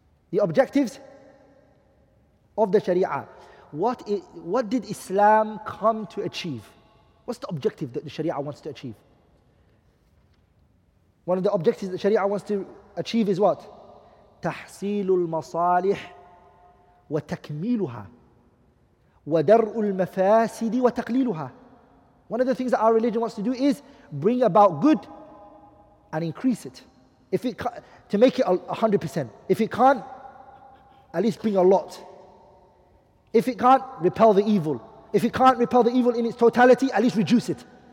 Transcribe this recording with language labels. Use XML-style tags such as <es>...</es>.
<en>The objectives of the Sharia. What did Islam come to achieve? What's the objective that the Sharia wants to achieve? One of the objectives that Sharia wants to achieve is what?</en> <ar>Tahsilul Masalih. وتكميلها ودرء المفاسد وتقليلها.</ar> <en>One of the things that our religion wants to do is bring about good and increase it. If it to make it 100%. If it can't, at least bring a lot. If it can't, repel the evil. If it can't repel the evil in its totality, at least reduce it.</en>